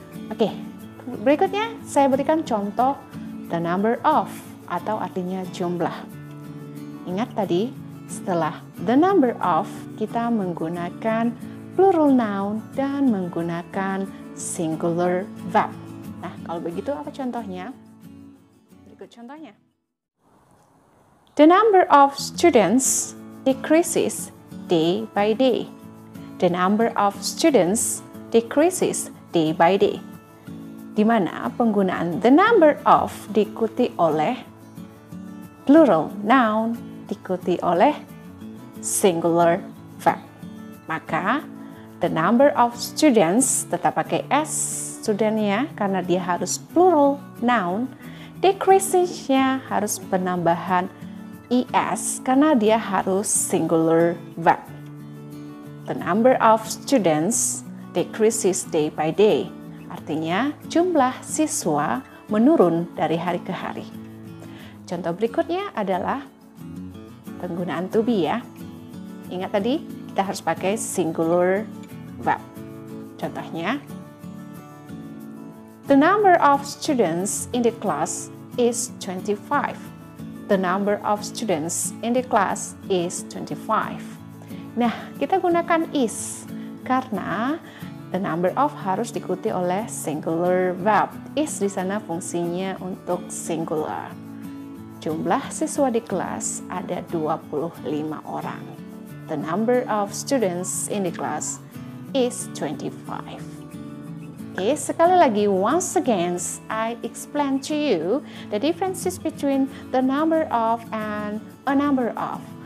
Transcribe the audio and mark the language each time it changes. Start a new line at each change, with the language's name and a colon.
Indonesian: Oke, berikutnya saya berikan contoh
English: the number of
Indonesian: atau artinya jumlah. Ingat tadi, setelah
English: the number of,
Indonesian: kita menggunakan plural noun dan menggunakan singular verb. Nah, kalau begitu apa contohnya? Berikut contohnya.
English: The number of students decreases day by day. The number of students decreases day by day.
Indonesian: Di mana penggunaan the number of diikuti oleh plural noun, diikuti oleh singular verb. Maka, the number of students, tetap pakai S, studentnya, karena dia harus plural noun, decreasing-nya harus penambahan ES, karena dia harus singular verb.
English: The number of students decreases day by day.
Indonesian: Artinya, jumlah siswa menurun dari hari ke hari. Contoh berikutnya adalah penggunaan to be ya. Ingat tadi, kita harus pakai singular verb. Contohnya,
English: the number of students in the class is 25. The number of students in the class is 25.
Indonesian: Nah, kita gunakan is karena the number of harus diikuti oleh singular verb. Is di sana fungsinya untuk singular. Jumlah siswa di kelas ada 25 orang.
English: The number of students in the class is 25. Okay,
Indonesian: sekali lagi,
English: once again, I explain to you the differences between the number of and a number of.